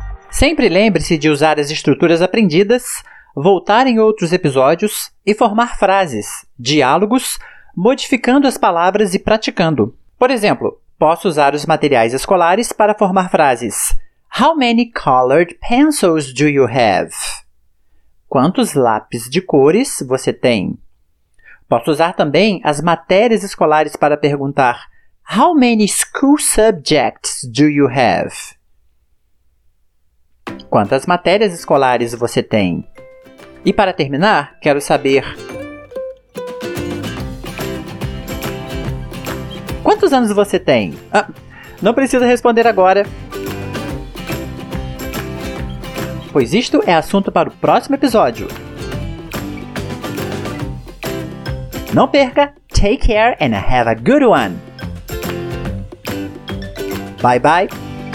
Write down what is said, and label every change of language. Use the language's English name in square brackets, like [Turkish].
[Portuguese] Sempre lembre-se de usar as estruturas aprendidas, voltar em outros episódios e formar frases, diálogos, modificando as palavras e praticando. Por exemplo, posso usar os materiais escolares para formar frases. [English] How many colored pencils do you have? [Portuguese] Quantos lápis de cores você tem? Posso usar também as matérias escolares para perguntar [English] How many school subjects do you have? [Portuguese] Quantas matérias escolares você tem? E para terminar, quero saber quantos anos você tem? Não precisa responder agora, pois isto é assunto para o próximo episódio. Não perca! [English] Take care and have a good one! Bye bye!